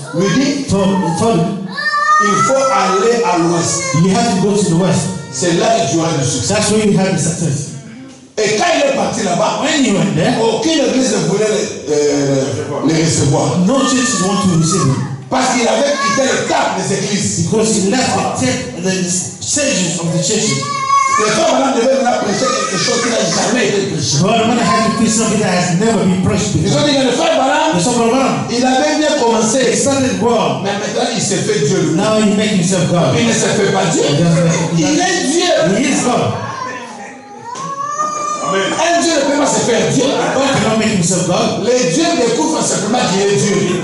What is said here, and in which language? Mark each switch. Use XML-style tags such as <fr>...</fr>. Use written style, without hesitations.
<fr>Lui dit, il faut aller à l'ouest.</fr> <en>You have to go to the west.</en> <fr>C'est là que tu auras du succès.</fr> <en>That's where you have the success.</en> <fr>Et quand il est parti là-bas,</fr> <en>when he went there,</en> <fr>aucune église ne voulait le recevoir.</fr> <en>No church wanted to receive him.</en> <fr>Parce qu'il avait quitté le cap des églises.</fr> <en>Because he left the stages of the churches.</en> <fr>Le frère Branham devait venir prêcher quelque chose qui n'a jamais été prêché.</fr> <en>The frère Branham had to preach something that has never been preached before.</en> <fr>Ils ont dit que le frère Branham, il avait bien commencé.</fr> <en>He started well.</en> <fr>Mais maintenant il s'est fait Dieu.</fr> <en>Now he made himself God.</en> <fr>Il ne se fait pas Dieu. Il est Dieu.</fr> <en>He is God.</en> <fr>Un Dieu ne peut pas se faire Dieu.</fr> <en>God cannot make himself God.</en> <fr>Le Dieu découvre simplement qu'il est Dieu.</fr>